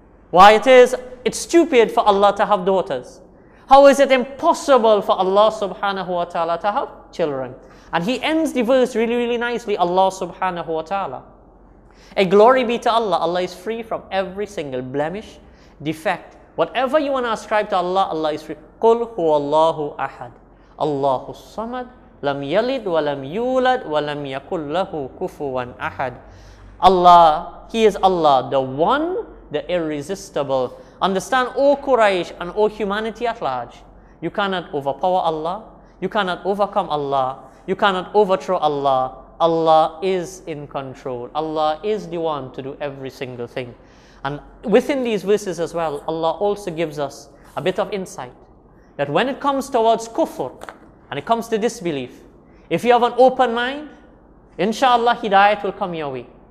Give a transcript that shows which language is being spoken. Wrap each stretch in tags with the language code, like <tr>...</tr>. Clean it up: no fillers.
<en>Why it's stupid for Allah to have daughters. How is it impossible for Allah subhanahu wa ta'ala to have children? And he ends the verse really, really nicely, Allah subhanahu wa ta'ala. A glory be to Allah, Allah is free from every single blemish, defect. Whatever you want to ascribe to Allah, Allah is free.</en> <ar>قُلْ هُوَ اللَّهُ أَحَدٌ اللَّهُ الصَّمَدُ لَمْ يَلِدْ وَلَمْ يُولَدْ وَلَمْ يَكُلْ لَهُ كُفُوًا أَحَدٌ</ar> <en>Allah, He is Allah, the One, the Irresistible. Understand, O Quraysh and O humanity at large, you cannot overpower Allah, you cannot overcome Allah, you cannot overthrow Allah. Allah is in control. Allah is the one to do every single thing. And within these verses as well, Allah also gives us a bit of insight that when it comes towards kufr and it comes to disbelief, if you have an open mind, inshallah, hidayat will come your way.</en>